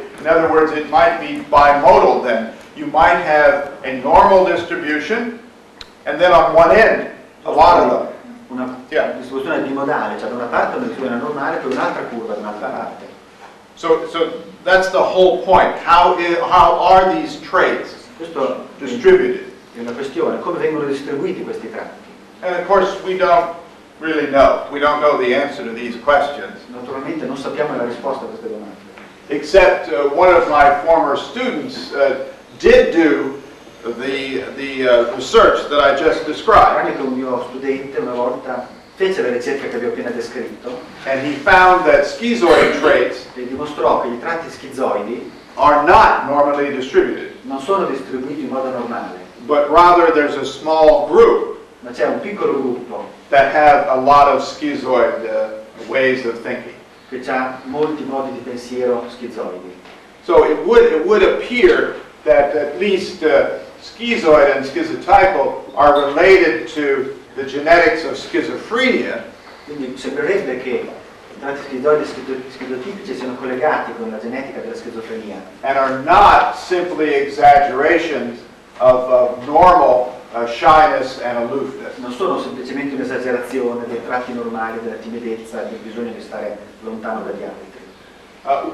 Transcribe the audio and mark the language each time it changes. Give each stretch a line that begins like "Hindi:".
English: In other words, it might be bimodal then. You might have a normal distribution and then on one end a lot of them.
Italian: Una distribuzione bimodale, cioè da una parte una distribuzione normale per un'altra curva da un'altra parte.
English: So that's the whole point. How are these traits distributed?
Italian: È una questione. Come vengono distribuiti questi tratti?
English: And of course, we don't really know. We don't know the answer to these questions.
Italian: Naturalmente, non sappiamo la risposta a queste domande.
English: Except one of my former students did do the research that I just described.
Italian: Tranne che un mio studente una volta fece la ricerca che vi ho appena descritto.
English: And he found that schizoid traits,
Italian: e dimostrò che i tratti schizoidi,
English: are not normally distributed.
Italian: Non sono distribuiti in modo normale.
English: But rather there's a small group,
Italian: ma c'è un piccolo gruppo,
English: that have a lot of schizoid ways of thinking,
Italian: che ha molti modi di pensiero schizoidi.
English: So it would appear that at least schizoid and schizotypal are related to the genetics of schizophrenia.
Italian: Quindi sembrerebbe che i tratti schizoidi schizotipici siano collegati con la genetica della schizofrenia.
English: And are not simply exaggerations of normal shyness and aloofness.
Italian: Non sono semplicemente un'esagerazione dei tratti normali, della timidezza, del bisogno di stare lontano dagli altri.